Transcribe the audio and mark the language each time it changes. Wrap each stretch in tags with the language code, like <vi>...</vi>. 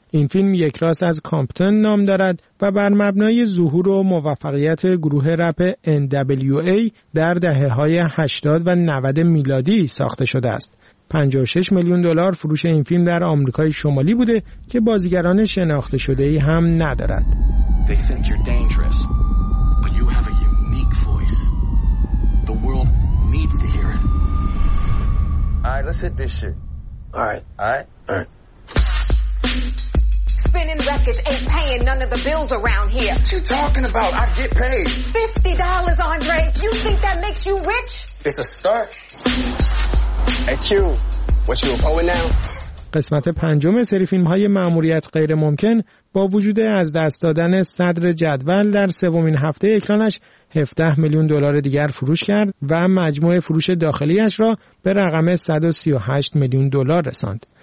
<fa>این فیلم یک راست از کامپتون نام دارد و بر مبنای ظهور و موفقیت گروه رپ NWA در دهه های 80 و 90 میلادی ساخته شده است. 56 میلیون دلار فروش این فیلم در آمریکای شمالی بوده که بازیگران شناخته شده ای هم ندارد.</fa> <en>They think you're dangerous, but you have a unique voice. The world needs to hear it. All right, let's hit this shit. All right. Spinning records ain't paying none of the bills around here. What you talking about? I get paid. $50, Andre. You think that makes you rich? It's a start.</en> <fa>قسمت پنجم سری فیلم‌های مأموریت غیر ممکن با وجود از دست دادن صدر جدول در سومین هفته اکرانش 17 میلیون دلار دیگر فروش کرد و مجموع فروش داخلیش را به رقم 138 میلیون دلار رساند.</fa>